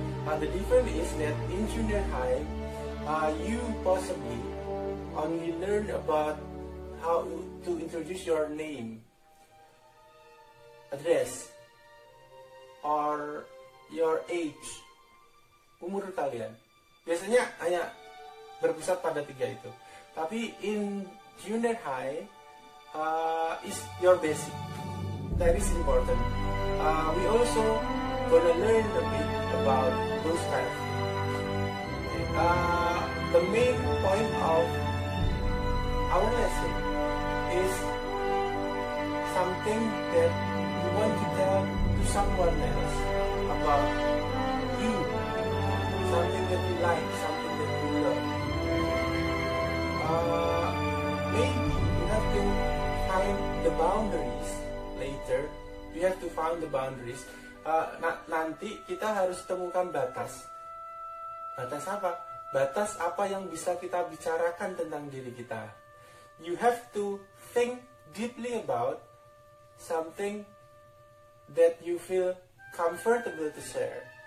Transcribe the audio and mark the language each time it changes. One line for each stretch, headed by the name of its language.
English: The difference is that in junior high, you possibly only learn about how to introduce your name, address, or your age,
Indonesian: umur kalian. Biasanya hanya berpusat pada tiga itu.
English: Tapi in junior high is your basic. That is important. We also gonna learn a bit about those kind of things. The main point of our lesson is something that we want to tell to someone else about you. Something that you like, something that you love. Maybe you have to find the boundaries later. You have to find the boundaries.
Indonesian: Nanti kita harus temukan batas. Batas apa? Batas apa yang bisa kita bicarakan tentang diri kita.
English: You have to think deeply about something that you feel comfortable to share.